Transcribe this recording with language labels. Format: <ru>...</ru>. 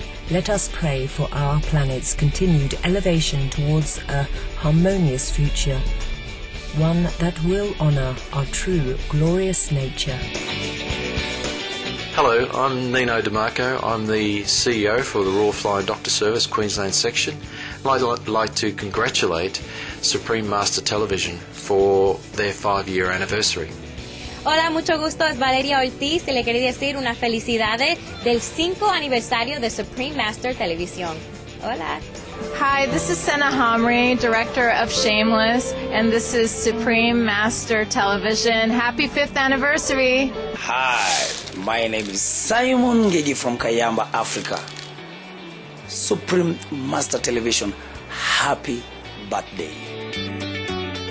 <en>Let us pray for our planet's continued elevation towards a harmonious future, one that will honor our true, glorious nature. Hello, I'm Nino DiMarco. I'm the CEO for the Royal Flying Doctor Service, Queensland section. And I'd like to congratulate Supreme Master Television for their 5-year anniversary.</en> <es>Hola, mucho gusto. Es Valeria Ortiz y le quería decir unas felicidades del 5 aniversario de Supreme Master Television. Hola.</es> <en>Hi, this is Senna Homri, director of Shameless, and this is Supreme Master Television. Happy 5th anniversary. Hi, my name is Simon Ngegi from Kayamba, Africa. Supreme Master Television, happy birthday.</en>